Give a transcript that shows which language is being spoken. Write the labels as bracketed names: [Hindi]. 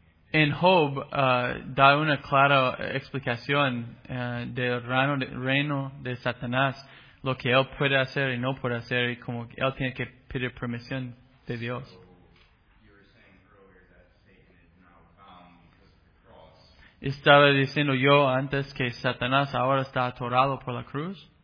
[Spanish] En Job, da una clara explicación del reino de Satanás, lo que él puede hacer y no puede hacer, y como él tiene que pedir permisión de Dios. [English] So, you were saying earlier that Satan is now bound because of the cross. [Spanish] Estaba diciendo yo antes que Satanás ahora está atorado por la cruz.